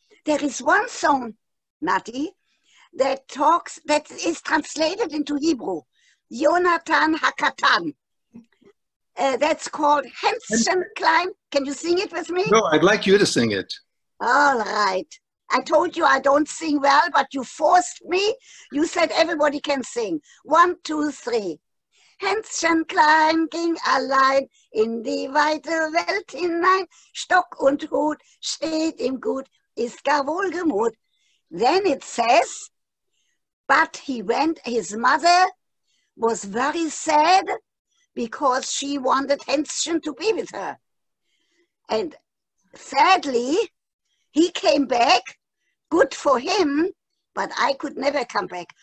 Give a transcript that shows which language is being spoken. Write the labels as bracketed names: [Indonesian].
[English] There is one song, Nati, that is translated into Hebrew, Yonatan Hakatan. That's called Hänschen Klein. Can you sing it with me? No, I'd like you to sing it. All right. I told you I don't sing well, but you forced me. You said everybody can sing. 1, 2, 3. [German] Hänschen Klein ging allein in die weite Welt hinein. Stock und Hut steht ihm gut, ist gar wohlgemut. [English] Then it says, but his mother was very sad because she wanted Hänschen to be with her. And sadly, he came back, good for him, but I could never come back.